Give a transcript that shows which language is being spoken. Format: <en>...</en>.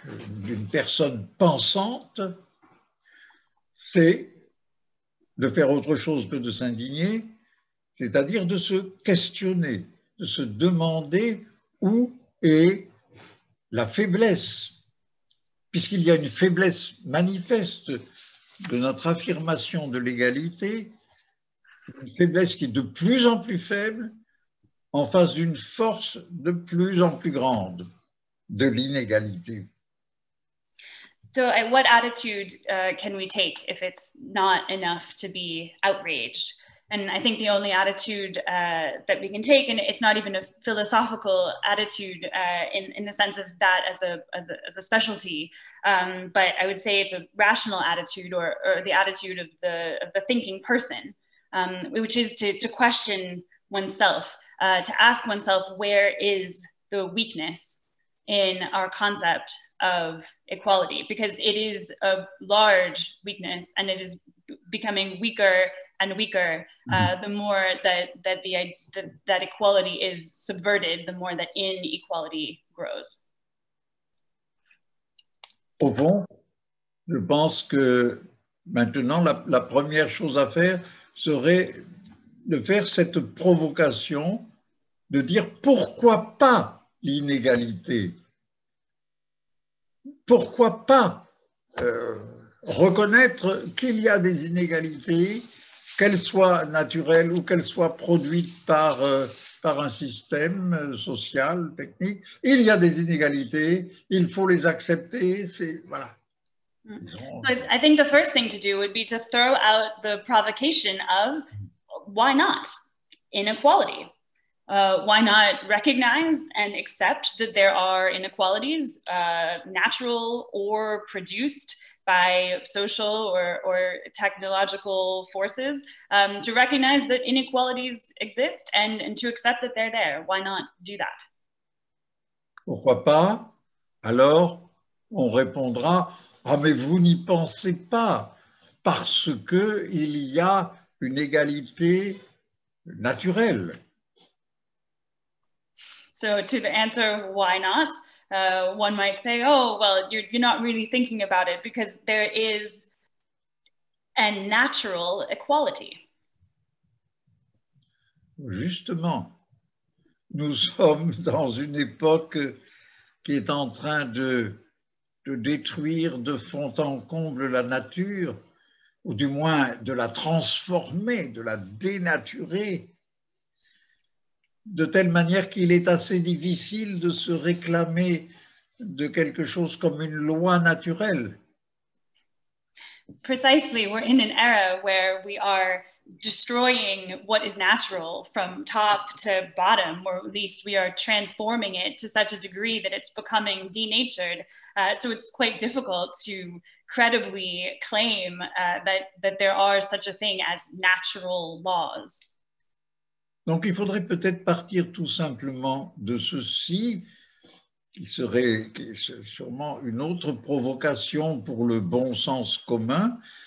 <fr>d'une personne pensante, c'est de faire autre chose que de s'indigner, c'est-à-dire de se questionner, de se demander où est la faiblesse, puisqu'il y a une faiblesse manifeste de notre affirmation de l'égalité, une faiblesse qui est de plus en plus faible en face d'une force de plus en plus grande de l'inégalité.</fr> <en>So what attitude can we take if it's not enough to be outraged? And I think the only attitude that we can take, and it's not even a philosophical attitude in the sense of that as a specialty, but I would say it's a rational attitude or the attitude of the thinking person, which is to question oneself, to ask oneself, where is the weakness in our concept of equality? Because it is a large weakness and it is becoming weaker and weaker the more that equality is subverted, the more that inequality grows.</en> <fr>Au fond, je pense que maintenant la première chose à faire serait de faire cette provocation de dire pourquoi pas l'inégalité. Pourquoi pas reconnaître qu'il y a des inégalités, qu'elles soient naturelles ou qu'elles soient produites par un système social, technique. Il y a des inégalités, il faut les accepter, c'est... voilà.</fr> <en>So I think the first thing to do would be to throw out the provocation of why not inequality? Why not recognize and accept that there are inequalities, natural or produced by social or technological forces, to recognize that inequalities exist and to accept that they're there? Why not do that?</en> <fr>Pourquoi pas? Alors, on répondra, ah, mais vous n'y pensez pas, parce qu'il y a une égalité naturelle.</fr> <en>So to the answer of why not, one might say, oh, well, you're not really thinking about it because there is a natural equality.</en> <fr>Justement, nous sommes dans une époque qui est en train de détruire de fond en comble la nature, ou du moins de la transformer, de la dénaturer, de telle manière qu'il est assez difficile de se réclamer de quelque chose comme une loi naturelle.</fr> <en>Precisely, we're in an era where we are destroying what is natural from top to bottom, or at least we are transforming it to such a degree that it's becoming denatured. So it's quite difficult to credibly claim that there are such a thing as natural laws.</en> <fr>Donc il faudrait peut-être partir tout simplement de ceci, qui serait sûrement une autre provocation pour le bon sens commun.</fr>